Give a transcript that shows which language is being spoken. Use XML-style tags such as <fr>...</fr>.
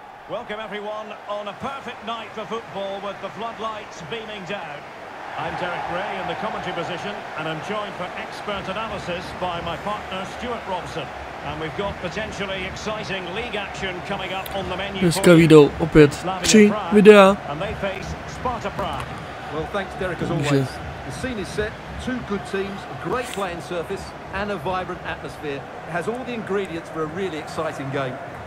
<en>Welcome everyone on a perfect night for football with the floodlights beaming down. I'm Derek Gray in the commentary position and I'm joined for expert analysis by my partner Stuart Robson. And we've got potentially exciting league action coming up on the menu.</en> <cs>Dneska vyjdou opět tři videa.</cs> <en>And they face Sparta Praha. Well, thanks Derek as always. The scene is set, two good teams, a great playing surface and a vibrant atmosphere. It has all the ingredients for a really exciting game.</en>